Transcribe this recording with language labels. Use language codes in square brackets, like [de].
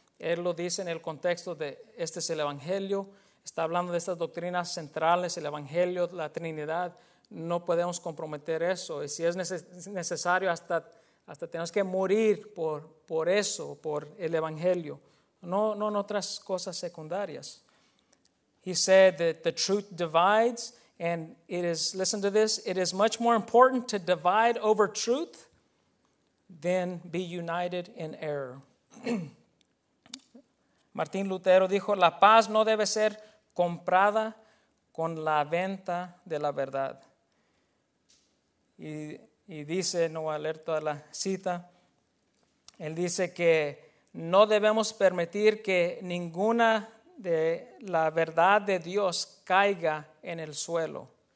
[es] Él lo dice en el contexto de este es el Evangelio. Está hablando de estas doctrinas centrales, el Evangelio, la Trinidad. No podemos comprometer eso. Y si es necesario, hasta tenemos que morir por eso, por el Evangelio. No en otras cosas secundarias. [en] He said that the truth divides, and it is, listen to this, it is much more important to divide over truth than be united in error. [es] Martín Lutero dijo, la paz no debe ser comprada con la venta de la verdad. Y dice, no voy a leer toda la cita, él dice que no debemos permitir que ninguna de la verdad de Dios caiga en el suelo.